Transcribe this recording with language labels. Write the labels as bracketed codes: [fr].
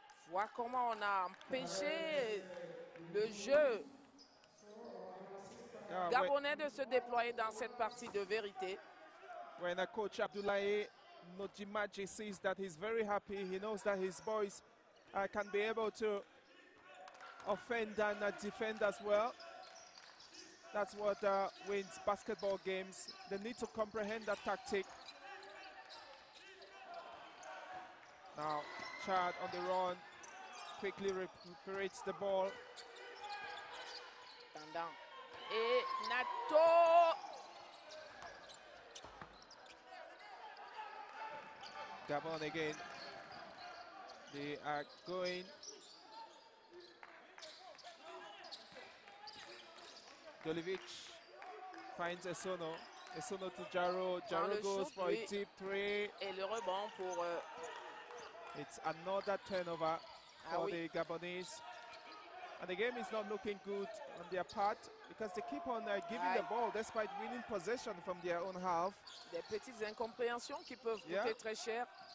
[fr] Vois comment on a empêché le jeu gabonais de se déployer dans cette partie de vérité. [en] When a coach Abdoulaye Nodjimadji sees that, he's very happy. He knows that his boys can be able to offend and defend as well. That's what wins basketball games. They need to comprehend that tactic. Now, Chad on the run. Quickly recuperates the ball. Stand down. Et Nato! Gabon again. They are going. Dulipic finds Esono. Esono to Jarro. Jarro goes shoot, for a deep three. [fr] Et le rebond pour. [en] It's another turnover for the Gabonese. And the game is not looking good on their part because they keep on giving the ball despite winning possession from their own half. [fr] Des petites incompréhensions qui peuvent coûter très cher.